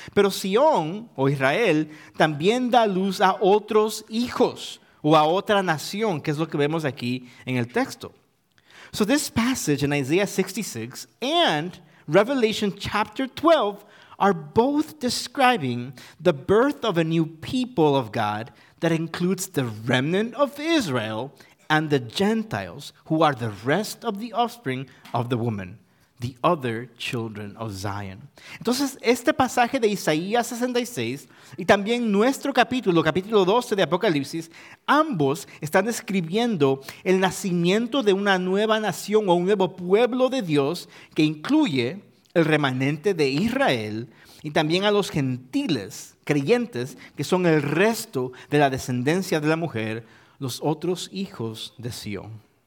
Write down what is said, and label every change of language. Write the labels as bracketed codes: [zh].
[es] Pero Sion, o Israel, también da luz a otros hijos, o a otra nación, que es lo que vemos aquí en el texto. [en] So this passage in Isaiah 66 and Revelation chapter 12 are both describing the birth of a new people of God that includes the remnant of Israel and the Gentiles, who are the rest of the offspring of the woman, the other children of Zion. [es] Entonces, este pasaje de Isaías 66 y también nuestro capítulo, capítulo 12 de Apocalipsis, ambos están describiendo el nacimiento de una nueva nación o un nuevo pueblo de Dios que incluye el remanente de Israel y también a los gentiles creyentes, que son el resto de la descendencia de la mujer, los otros hijos de Sion.